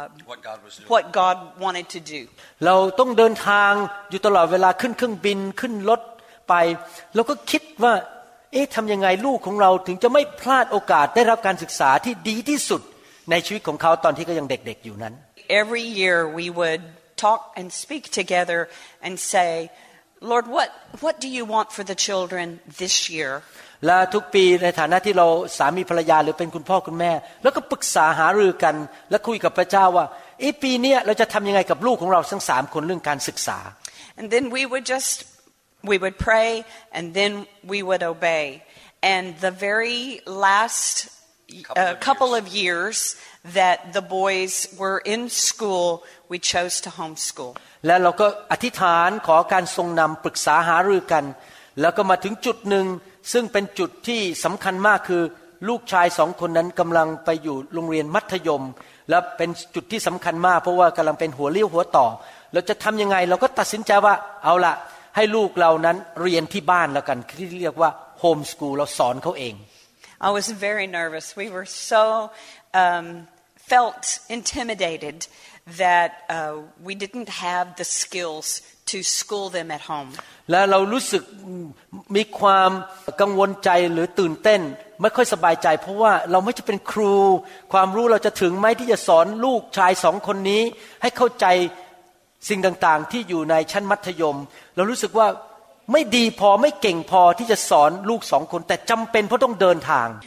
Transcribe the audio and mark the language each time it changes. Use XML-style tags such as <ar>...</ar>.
<en>what God was doing. What God wanted to do.</en> <th>เราต้องเดินทางอยู่ตลอดเวลาขึ้นเครื่องบินขึ้นรถไปเราก็คิดว่าเอ๊ะทำยังไงลูกของเราถึงจะไม่พลาดโอกาสได้รับการศึกษาที่ดีที่สุดในชีวิตของเขาตอนที่ก็ยังเด็กๆอยู่นั้น</th> <en>Every year we would talk and speak together and say, Lord, what do you want for the children this year?</en> <th>และทุกปีในฐานะที่เราสามีภรรยาหรือเป็นคุณพ่อคุณแม่แล้วก็ปรึกษาหารือกันและคุยกับพระเจ้าว่าไอ้ปีนี้เราจะทำยังไงกับลูกของเราทั้งสามคนเรื่องการศึกษา</th> <en>And then we would pray and then we would obey. And the very last couple of years. That the boys were in school, we chose to homeschool.</en> <th>และเราก็อธิษฐานขอการทรงนำปรึกษาหารือกันแล้วก็มาถึงจุดหนึ่งซึ่งเป็นจุดที่สำคัญมากคือลูกชายสองคนนั้นกำลังไปอยู่โรงเรียนมัธยมและเป็นจุดที่สำคัญมากเพราะว่ากำลังเป็นหัวเลี้ยวหัวต่อเราจะทำยังไงเราก็ตัดสินใจว่าเอาล่ะให้ลูกเรานั้นเรียนที่บ้านแล้วกันที่เรียกว่า homeschool เราสอนเขาเอง</th> <en>I was very nervous. We were so felt intimidated that we didn't have the skills to school them at home.</en> <th>และเรารู้สึกมีความกังวลใจหรือตื่นเต้นไม่ค่อยสบายใจเพราะว่าเราไม่จะเป็นครูความรู้เราจะถึงไหมที่จะสอนลูกชายสองคนนี้ให้เข้าใจสิ่งต่างๆที่อยู่ในชั้นมัธยมเรารู้สึกว่าไม่ดีพอไม่เก่งพอที่จะสอนลูกสองคนแต่จำเป็นเพราะต้องเดินทาง</th>